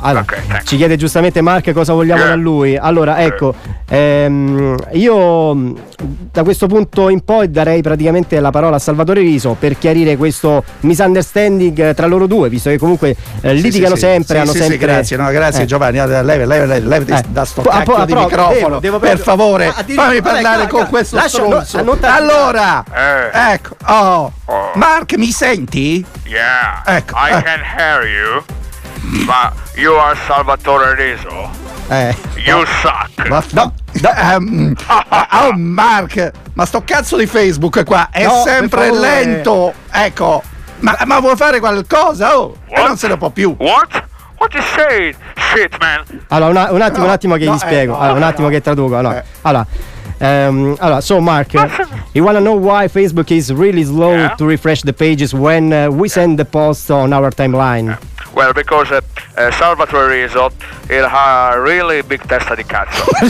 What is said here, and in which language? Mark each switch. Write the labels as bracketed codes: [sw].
[it] Allora, okay, ci chiede giustamente Mark cosa vogliamo da lui. Allora, ecco, io da questo punto in poi darei praticamente la parola a Salvatore Riso per chiarire questo misunderstanding tra loro due, visto che comunque litigano sempre, hanno sempre... Grazie Giovanni, levi da sto cacchio di microfono, per favore, fammi parlare con questo stronzo. Allora, ecco, Mark, mi senti? [en] Yeah, ecco, I can hear you, but you are Salvatore Riso. You suck. [it] Oh Mark, ma sto cazzo di Facebook qua è sempre lento. Ecco, ma vuoi fare qualcosa? Non se ne può più. [en] What you say? Shit, man. [it] Allora, un attimo che gli spiego. Allora, un attimo che traduco. Allora. [en] So Mark, you wanna know why Facebook is really slow to refresh the pages when we send the post on our timeline? Well, because Salvatore Riso, it ha really big [it] testa di cazzo.